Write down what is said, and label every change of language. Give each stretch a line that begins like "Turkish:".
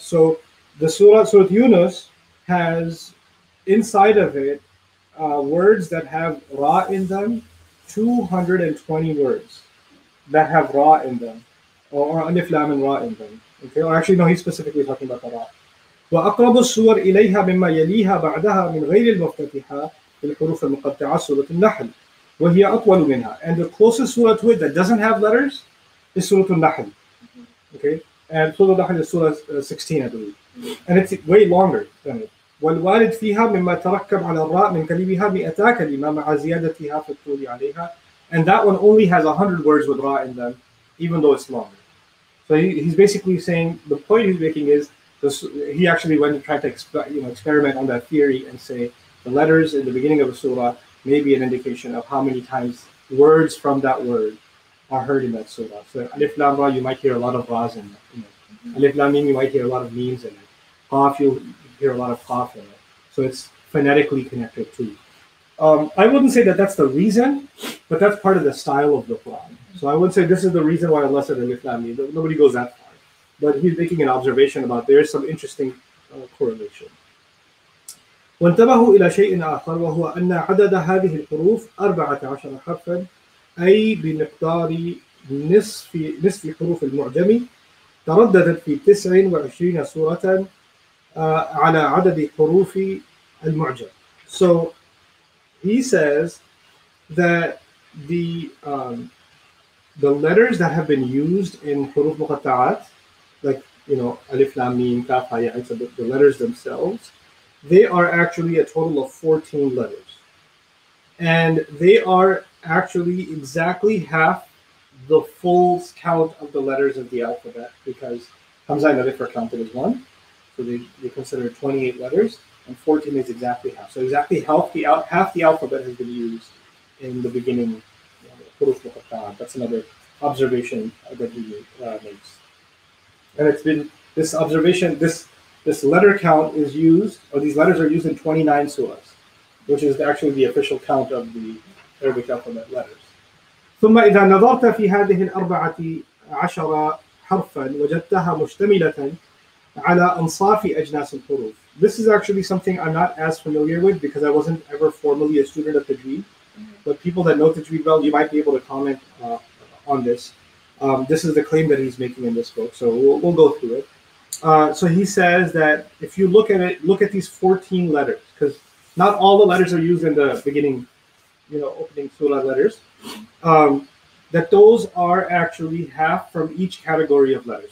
English: So the Surah Yunus has inside of it words that have Ra in them, 220 words that have Ra in them, or Alif Lam and Ra in them. Okay, or actually, no, he's specifically talking about the Ra.
Arabic: وأقرب الصور إليها مما يليها بعدها من غير المفتتحة الحروف المقطعة سورة النحل وهي أطول منها.
English: And the closest surah to it that doesn't have letters is سورة النحل. Okay, and سورة النحل is سورة 16 I believe, and it's way longer than it.
Arabic: والوارد فيها مما تركب على الراء من كلمها مئتا كلمة مع زيادتها في الطول عليها.
English: And that one only has 100 words with ra in them, even though it's longer. So he's basically saying, the point he's making is, this, he actually went and tried to experiment on that theory and say, the letters in the beginning of a surah may be an indication of how many times words from that word are heard in that surah. So alif lam ra, you might hear a lot of ra's in it. Alif lam meem, you might hear a lot of memes in it. Qaf, you hear a lot of qaf in it. So it's phonetically connected to you. I wouldn't say that that's the reason, but that's part of the style of the Quran. So I wouldn't say this is the reason why Allah said alif lam meem. Nobody goes that far. But he's making an observation about there's some interesting correlation.
Arabic: وانتبهوا إلى شيء آخر وهو أن عدد هذه الحروف 14 حرفا أي بمقدار نصف حروف المعجم ترددت في 29 سورة على عدد حروف المعجم.
English: So he says that the letters that have been used in حروف مقطعات, like alif lam mim kaf ha ya, the letters themselves, they are actually a total of 14 letters, and they are actually exactly half the full count of the letters of the alphabet, because hamza and alif are counted as one, so they consider 28 letters, and 14 is exactly half. So exactly half the alphabet has been used in the beginning. That's another observation that he makes. And it's been this observation, this letter count is used, or these letters are used in 29 surahs, which is actually the official count of the Arabic alphabet letters.
Arabic: ثم إذا نظرت في هذه الأربعة عشر حرفاً وجدتها مشتملة على أنصاف أجناس الحروف.
English: This is actually something I'm not as familiar with because I wasn't ever formally a student of Tajweed. But people that know Tajweed well, you might be able to comment on this. This is the claim that he's making in this book, so we'll go through it. So he says that if you look at it, look at these 14 letters, because not all the letters are used in the beginning, opening surah letters, that those are actually half from each category of letters.